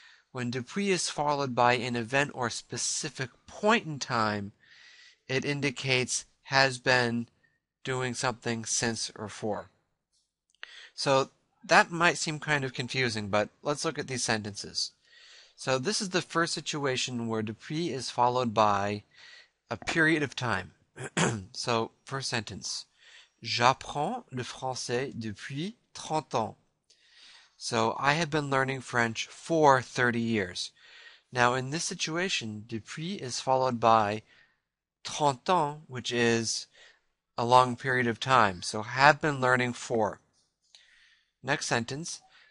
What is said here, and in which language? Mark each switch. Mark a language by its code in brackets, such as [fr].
[en] When depuis is followed by an event or specific point in time, it indicates has been doing something since or for. So that might seem kind of confusing, but let's look at these sentences. So this is the first situation where depuis is followed by a period of time. So first sentence, [fr] j'apprends le français depuis 30 ans. [en] So, I have been learning French for 30 years. Now, in this situation, depuis is followed by 30 ans, which is a long period of time. So, have been learning for. Next sentence.